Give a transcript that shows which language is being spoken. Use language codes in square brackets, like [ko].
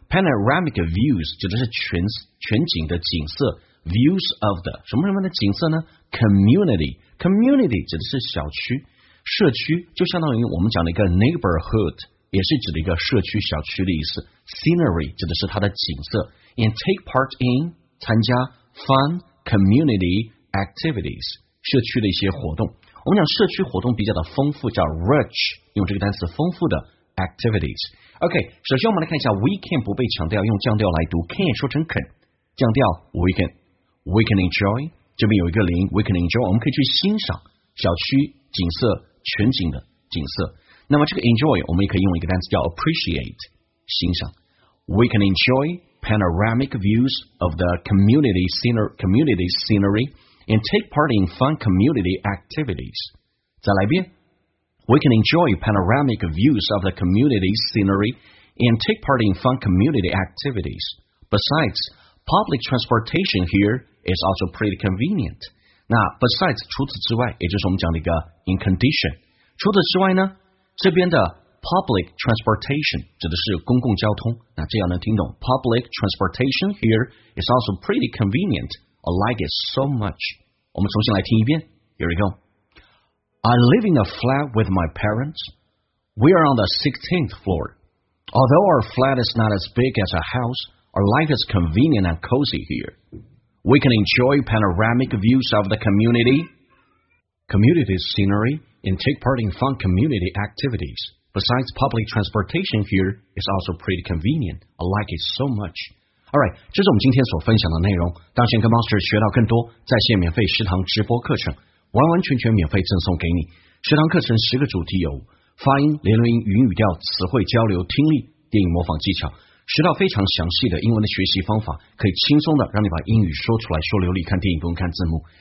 [en] panoramic views [zh] 指的是 全景的景色， [en] views of the [zh] 什么什么的景色呢？ community 指的是小区，社区就相当于我们讲的一个 neighborhood， 也是指的一个社区小区的意思。 scenery 指的是它的景色， [en] and take part in [zh] 参加 [en] fun community activities [zh] 社区的一些活动。我们讲社区活动比较的丰富叫 rich， 用这个单词丰富的 activities。 OK， 首先我们来看一下 [en] we can [zh] 不被强调，用降调来读， can 说成 can， 降调 [en] we can enjoy， [zh] 这边有一个零， we can enjoy， 我们可以去欣赏小区景色，全景的景色。那么这个 enjoy 我们也可以用一个单词叫 appreciate， 欣赏。 [en] We can enjoy panoramic views of the community scenery and take part in fun community activities。 [zh] 再来一遍， [en] We can enjoy panoramic views of the community scenery and take part in fun community activities。 Besides, public transportation hereIt's also pretty convenient. [zh] 那 besides 除此之外，也就是我们讲的一个 [en] in condition。 [zh] 除此之外呢，这边的 [en] public transportation [zh] 指的是公共交通，那这样能听懂。 [en] Public transportation here is also pretty convenient. I like it so much. [zh] 我们重新来听一遍。 [en] Here we go. I live in a flat with my parents. We are on the 16th floor. Although our flat is not as big as a house, our life is convenient and cozy here. We can enjoy panoramic views of the community scenery, and take part in fun community activities. Besides, public transportation here is also pretty convenient. I like it so much. All right, [zh] 这是我们今天所分享的内容。当想跟 Master 学到更多在线免费食堂直播课程，完完全全免费赠送给你。食堂课程十个主题有发音、连轮音、语音语调、词汇交流、听力、电影模仿技巧，学到非常详细的英文的学习方法，可以轻松的让你把英语说出来，说流利，看电影不用看字幕。